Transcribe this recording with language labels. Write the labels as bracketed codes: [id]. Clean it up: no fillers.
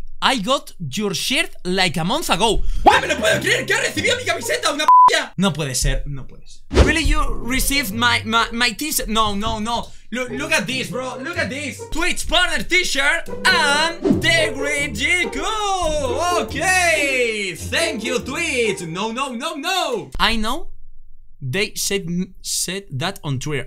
[en] I got your shirt like a month ago. [es] ¿What? ¡Me lo puedo creer! ¡Que ha recibido mi camiseta! ¡Una p***a! No puede ser, no puede ser. [en] Really, you received my t-shirt? No, no, no. Look at this, bro. Look at this. Twitch partner t-shirt and The Great GQ. Okay. Thank you, Twitch. No, no, no, no. I know. They said that on Twitter.